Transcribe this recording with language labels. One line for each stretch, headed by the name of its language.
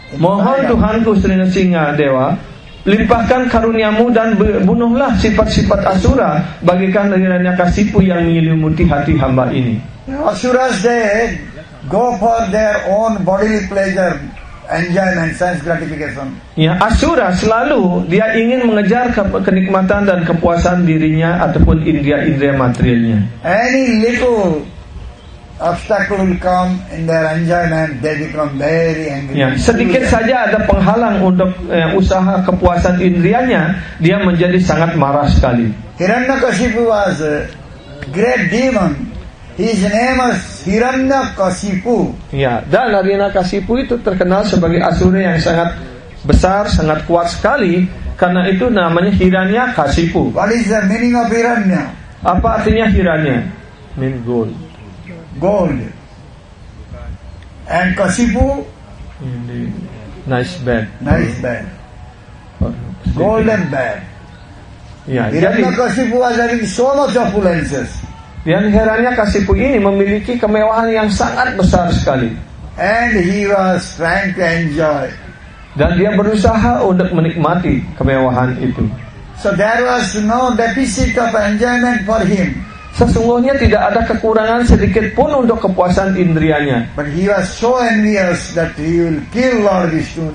Indonesian: Mohon Tuhanku Sri Nrisimhadeva, limpahkan karuniamu dan bunuhlah sifat-sifat asura bagikan Hiranyakasipu yang menyelimuti hati hamba ini.
English: Asuras, they go for their own bodily pleasure, enjoyment, sense gratification.
Indonesian: Ya, asura selalu dia ingin mengejar kenikmatan dan kepuasan dirinya ataupun indria-indria materialnya.
English: Any little obstacle will come in their enjoyment, they become very angry.
Indonesian: Ya, sedikit saja ada penghalang untuk usaha kepuasan indrianya, dia menjadi sangat marah sekali.
English: Hiranyakasipu was a great demon. His name is Hiranyakasipu.
Indonesian: Ya, dan Hiranyakasipu itu terkenal sebagai asura yang sangat besar, sangat kuat sekali. Karena itu namanya Hiranyakasipu.
English: What is the meaning of Hiranya?
Indonesian: Apa artinya Hiranya?
English: Mean gold. Gold. And Kasipu? Nice bed. Nice bed. Golden bed. Ya, Hiranyakasipu was having so much opulences.
Indonesian: Dan Hiranyakasipu ini memiliki kemewahan yang sangat besar sekali.
English: And he was trying to enjoy.
Indonesian: Dan dia berusaha untuk menikmati kemewahan itu.
English: So there was no deficit of enjoyment for him.
Indonesian: Sesungguhnya tidak ada kekurangan sedikit pun untuk kepuasan indrianya.
English: But he was so envious that he will kill Lord Vishnu.